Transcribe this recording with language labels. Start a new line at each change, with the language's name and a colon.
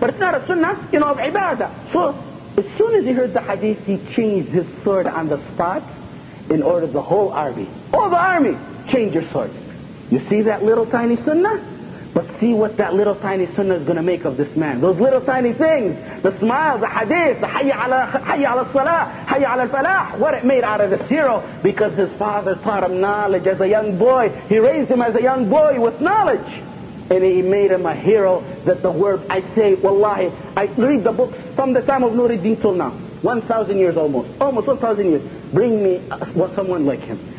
English: But it's not a sunnah, you know, of ibadah. So, as soon as he heard the hadith, he changed his sword on the spot and ordered the whole army. All the army, change your sword. You see that little tiny sunnah? But see what that little tiny sunnah is going to make of this man. Those little tiny things, the smile, the hadith,
Arabic: حي على الصلاة, حي على الفلاح.
English: What it made out of this hero? Because his father taught him knowledge as a young boy. He raised him as a young boy with knowledge. And he made him a hero that the word, I say, wallahi, I read the books from the time of Nuruddin till now. 1,000 years almost. Almost 1,000 years. Bring me someone like him.